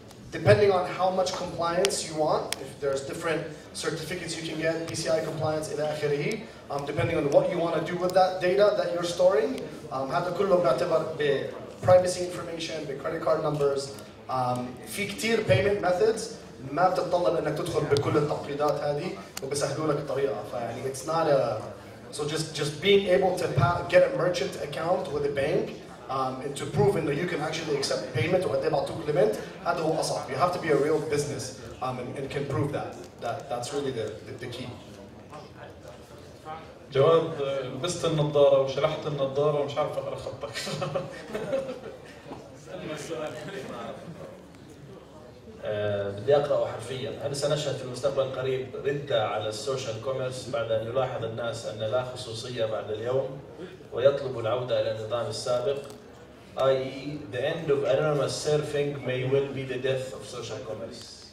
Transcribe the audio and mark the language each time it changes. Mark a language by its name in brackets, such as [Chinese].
[English] Depending on how much compliance you want, if there's different certificates you can get, PCI compliance, [Arabic] إلى آخره, [English] depending on what you want to do with that data that you're storing, [Arabic] هذا كله بيعتبر [English] privacy information, credit card numbers. [Arabic] في كتير payment methods ما بتطلب إنك تدخل بكل التعقيدات هذه وبسهلوا لك الطريقة. فيعني [English] it's not a so just being able to get a merchant account with a bank. And to prove that you can actually accept payment or they bought to limit, [Arabic] هذا هو أصعب. [English] You have to be a real business and can prove that. That's really the key. [Arabic] جواد لبست النظارة وشلحت النظارة ومش عارف أقرأ خطك. بدي أقرأ حرفيا. هل سنشهد في المستقبل القريب ردة على السوشيال كوميرس بعد أن يلاحظ الناس أن لا خصوصية بعد اليوم ويطلب العودة إلى النظام السابق؟ [English] i.e. the end of anonymous surfing may well be the death of social commerce.